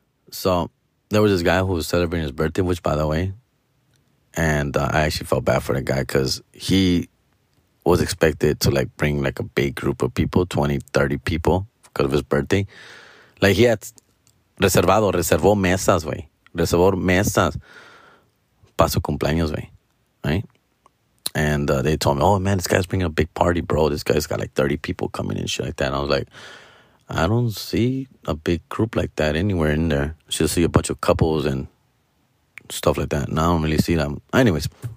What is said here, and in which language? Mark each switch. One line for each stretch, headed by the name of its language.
English: So there was this guy who was celebrating his birthday, which, by the way, and I actually felt bad for the guy because he was expected to, like, bring, like, a big group of people, 20, 30 people, because of his birthday. Like, he had
Spanish: reservó mesas, güey. Reservó mesas para su cumpleaños, güey.
English: Right? And they told me, oh, man, this guy's bringing a big party, bro. This guy's got, like, 30 people coming and shit like that. And I was like, I don't see a big group like that anywhere in there. I just see a bunch of couples and stuff like that. And I don't really see them. Anyways.